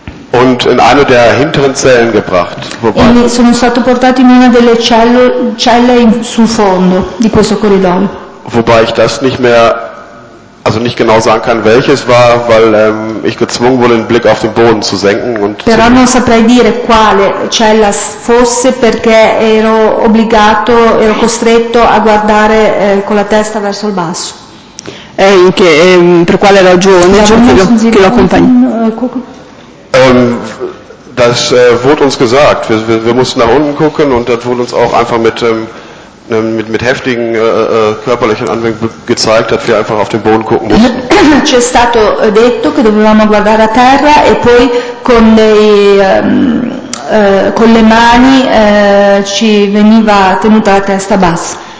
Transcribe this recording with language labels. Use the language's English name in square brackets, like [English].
[German] Und in eine der hinteren Zellen gebracht. [Italian] Quindi sono stato portato in una delle celle sul fondo di questo corridoio. [German] Wobei ich das nicht mehr, also nicht genau sagen kann, welches war, weil ich gezwungen wurde, den Blick auf den Boden zu senken. [Italian] Però non saprei dire quale cella fosse, perché ero obbligato, ero costretto a guardare con la testa verso il basso. Per quale ragione? Che lo accompagni? [German] Das wurde uns gesagt. Wir mussten nach unten gucken und das wurde uns auch einfach mit heftigen körperlichen Anwendungen gezeigt, dass wir einfach auf den Boden gucken mussten. [Italian] Ci è stato detto che dovevamo guardare a terra e poi con le mani ci veniva tenuta la testa bassa.